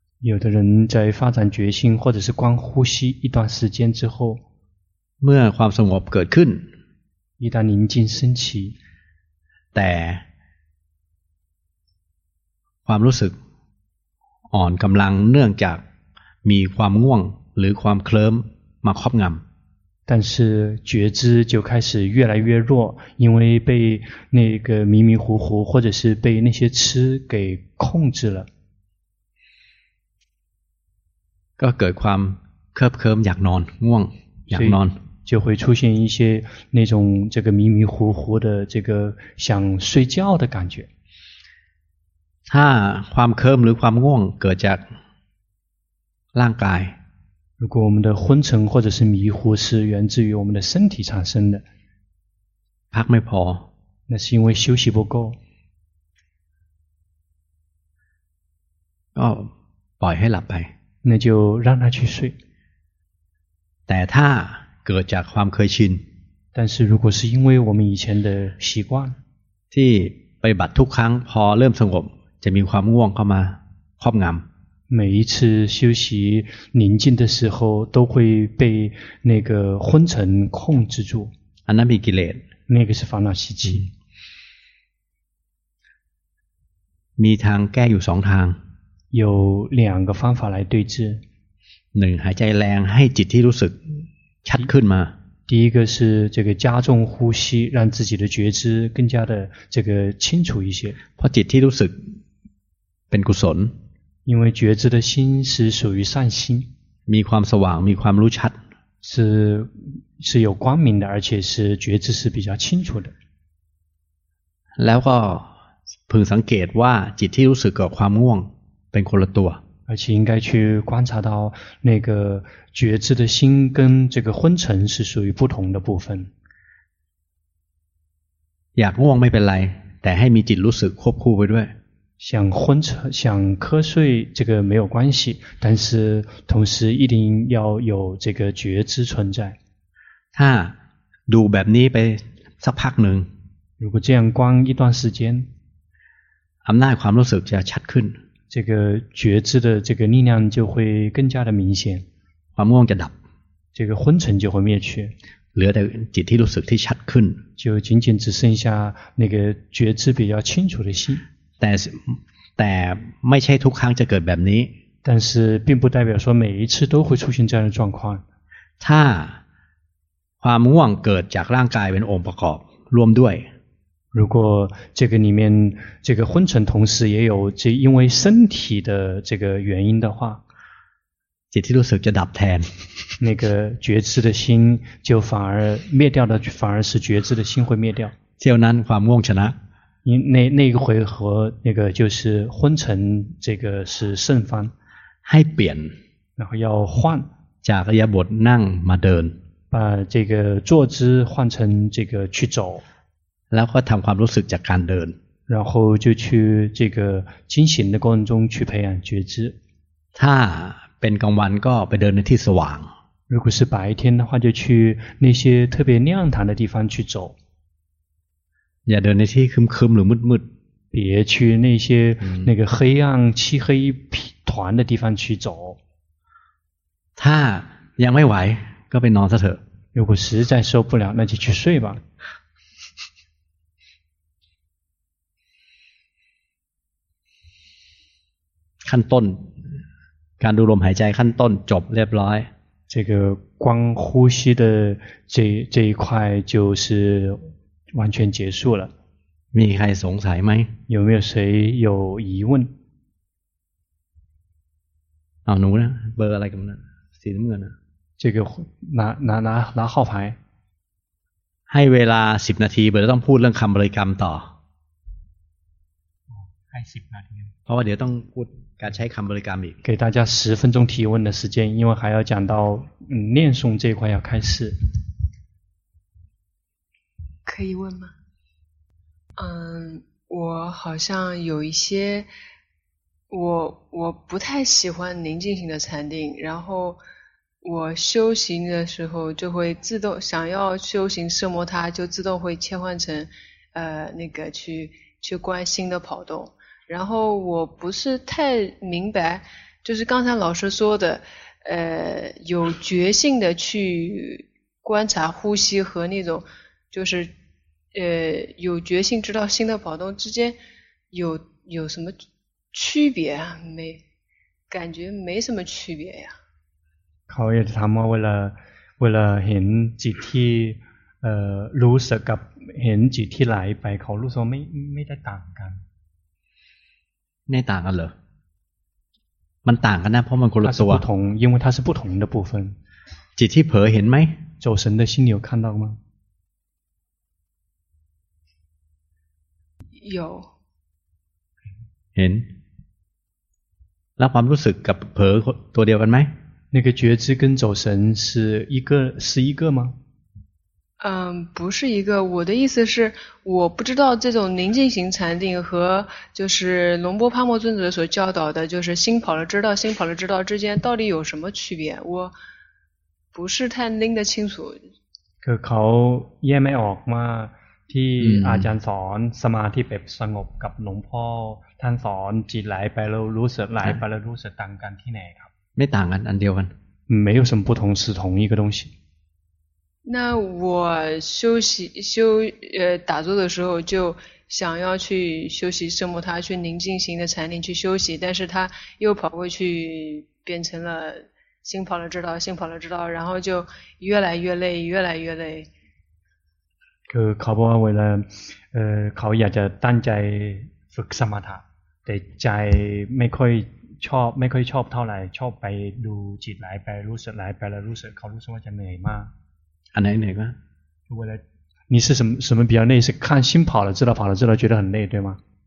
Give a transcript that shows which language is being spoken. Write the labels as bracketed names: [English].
[Chinese] 有的人在发展觉心或者是光呼吸一段时间之后 [Thai] เมื่อความสงบเกิดขึ้น [Chinese] 一旦宁静升起 [Thai] แต่ความรู้สึกอ่อนกำลังเนื่องจากมีความง่วงหรือความเคลิ้มมาครอบงำ [Chinese] 但是觉知就开始越来越弱因为被那个迷迷糊糊或者是被那些痴给控制了 [Thai] ก็เกิดความเคลิ้มเคลิ้มอยากนอนง่วงอยากนอน [Chinese] 就会出现一些那种这个迷迷糊糊的这个想睡觉的感觉 [Thai] ถ้าความเคลิ้มหรือความง่วงเกิดจากร่างกาย [Chinese] 如果我们的昏沉或者是迷糊是源自于我们的身体产生的 [Thai] พักไม่พอ [Chinese] 那是因为休息不够 [Thai] ก็ปล่อยให้หลับไป [Chinese] 那就让他去睡 [Thai] แต่ถ้าเกิดจากความเคยชิน [Chinese] 但是如果是因为我们以前的习惯 [Thai] ที่ไปบัดทุกครั้งพอเริ่มสงบจะมีความง่วงเข้ามาครอบงำ [Chinese] 每一次休息宁静的时候都会被那个昏沉控制住 [Thai] อันนั้นมีกิเลส [Chinese] 那个是烦恼习气 [Thai] มีทางแก้อยู่2ทาง [Chinese] 有两个方法来对治 [Thai] 1หายใจแรงให้จิตที่รู้สึกชัดขึ้นมา [Chinese] 第一个是这个加重呼吸让自己的觉知更加的这个清楚一些 [Thai] พอจิตที่รู้สึกเป็นกุศล [Chinese] 因为觉知的心是属于善心 [Thai] มีความสว่างมีความรู้ชัด [Chinese] 是有光明的而且是觉知是比较清楚的 [Thai] แล้วก็พึงสังเกตว่าจิตที่รู้สึกกับความง่วงเป็นคนละตัว [Chinese] 而且应该去观察到那个觉知的心跟这个昏沉是属于不同的部分 [Thai] อยากง่วงไม่เป็นไรแต่ให้มีจิตรู้สึกควบคู่ไปด้วย [Chinese] 想昏沉想瞌睡这个没有关系，但是同时一定要有这个觉知存在。 [Thai] ถ้าดูแบบนี้ไปสักพักหนึ่ง [Chinese] 如果这样观一段时间 [Thai] อำนาจความรู้สึกจะชัดขึ้น [Chinese] 这个觉知的这个力量就会更加的明显 [Thai] ความง่วงจะดับ [Chinese] 这个昏沉就会灭去 [Thai] เหลือแต่จิตที่รู้สึกที่ชัดขึ้น [Chinese] 就仅仅只剩下那个觉知比较清楚的心 [Thai] แต่ไม่ใช่ทุกครั้งจะเกิดแบบนี้ [Chinese] 但是并不代表说每一次都会出现这样的状况 [Thai] ถ้าความง่วงเกิดจากร่างกายเป็นองค์ประกอบรวมด้วย [Chinese] 如果这个里面这个昏沉同时也有这因为身体的这个原因的话 [Thai] จิตที่รู้สึกจะดับแทน [Chinese] 那个觉知的心就反而灭掉的反而是觉知的心会灭掉 [Thai] เท่านั้นความง่วงชนะ [Chinese] 那个回合那个就是昏沉这个是胜方 [Thai] ให้เปลี่ยน [Chinese] 然后要换 [Thai] จากอยบทนั่งมาเดิน [Chinese] 把这个坐姿换成这个去走 [Thai] แล้วก็ทำความรู้สึกจากการเดิน [Chinese] 然后就去这个进行的过程中去培养觉知 [Thai] ถ้าเป็นกลางวันก็ไปเดินในที่สว่าง [Chinese] 如果是白天的话就去那些特别亮堂的地方去走 [Thai] อย่าเดินในที่คึมคึมหรือมืดมืด [Chinese] 别去那些那个黑暗漆黑团的地方去走 [Thai] ถ้ายังไม่ไหวก็ไปนอนซะเถอะ [Chinese] 如果实在受不了那就去睡吧 [Thai] ขั้นต้นการดูลมหายใจขั้นต้นจบเรียบร้อย [Chinese] 这个光呼吸的这一块就是完全结束了 [Thai] มีใครสงสัยไหม [Chinese] 有没有谁有疑问 [Thai] เอาหนูนะเบอร์อะไรกันนะสีน้ำเงินนะ [Chinese] 这个拿号牌 [Thai] ให้เวลา10นาทีเบอร์ต้องพูดเรื่องคำบริกรรมต่อให้10นาที เพราะว่าเดี๋ยวต้องพูดการใช้คำบริกรรมอีก [Chinese] 给大家10分钟提问的时间因为还要讲到念诵这一块要开始可以问吗？我好像有一些，我不太喜欢宁静型的禅定，然后我修行的时候就会自动想要修行奢摩他，就自动会切换成那个去观心的跑动，然后我不是太明白，就是刚才老师说的，有觉性的去观察呼吸和那种就是。有觉性知道心的跑动之间有什么区别啊？没，感觉没什么区别呀。 [Thai] เขาอยากจะถามว่าเวลาเห็นจิตที่รู้สึกกับเห็นจิตที่ไหลไปเขารู้สึกไม่ได้ต่างกัน ไม่ต่างกันเหรอมันต่างกันนะเพราะมันคนละตัว [Chinese] 不同因为它是不同的部分 [Thai] จิตที่เผลอเห็นไหม [Chinese] 走神的心有看到吗有 [Thai] เห็นแล้วความรู้สึกกับเผลอตัวเดียวกันไหม [Chinese] 那个觉知跟走神是一个吗不是一个我的意思是我不知道这种宁静型禅定和就是龙波帕默尊者所教导的就是心跑了知道心跑了知道之间到底有什么区别我不是太拎得清楚 [Thai] คือเขาแยกไม่ออกมาที่อาจารย์สอนสมาธิแบบสงบกับหลวงพ่อท่านสอนจิตไหลไปแล้วรู้สึกไหลไปแล้วรู้สึกต่างกันที่ไหนครับ ไม่ต่างกันอันเดียวกัน [Chinese] 没有什么不同是同一个东西那我休息休打坐的时候就想要去休息奢摩他去宁静型的禅定去休息但是他又跑过去变成了心跑了知道心跑了知道然后就越来越累越来越累 [Thai] คือเขาบอกว่าเวลาเขาอยากจะตั้งใจฝึกสมถะแต่ใจไม่ค่อยชอบเท่าไหร่ชอบไปดูจิตหลายไปรู้สึกหลายไปแล้วรู้สึกเขารู้สึกว่าจะเหนื่อยมาก อันไหนเหนื่อย กว่าเวลา [Chinese] 你是什么比较累是看心跑了知道跑了知道觉得很累对吗